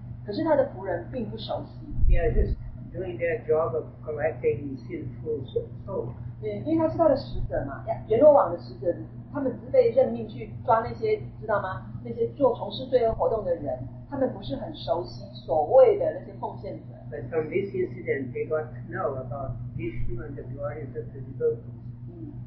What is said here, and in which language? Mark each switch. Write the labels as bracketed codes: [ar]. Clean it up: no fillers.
[zh] 可是他的仆人并不熟悉。 [en] Yeah, just doing their job of collecting sinful souls. [zh] 因为他是他的使者嘛，阎罗王的使者，他们只被任命去抓那些，知道吗？那些做从事罪恶活动的人，他们不是很熟悉所谓的那些奉献者。 [en] But from this incident, they got to know about Vishnu and the glories of the devotees.